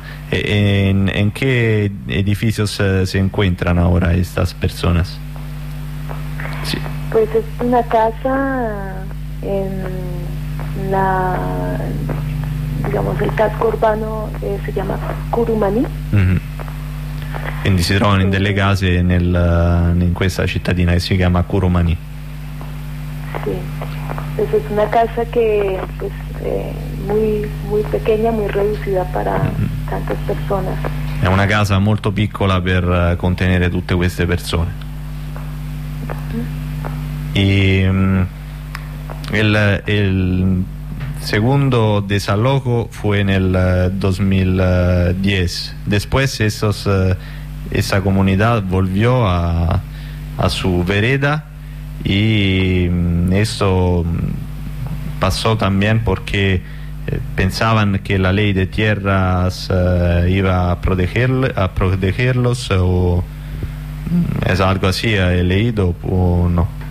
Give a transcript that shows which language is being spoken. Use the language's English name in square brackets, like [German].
[Italian] In che edificio si incontrano ora queste persone? Sì. [Spanish] Pues es una casa en la, digamos, el casco urbano se llama Curumaní. Uh-huh. [Italian] Quindi si trovano in delle case in questa cittadina che si chiama Curumaní. [Spanish] Sí, pues es una casa que pues muy muy pequeña, muy reducida para uh-huh. tantas personas. [Italian] È una casa molto piccola per contenere tutte queste persone. [Spanish] Y el segundo desalojo fue en el 2010. Después esa comunidad volvió a su vereda y esto pasó también porque pensaban que la ley de tierras iba a protegerlos o es algo así, he leído o no.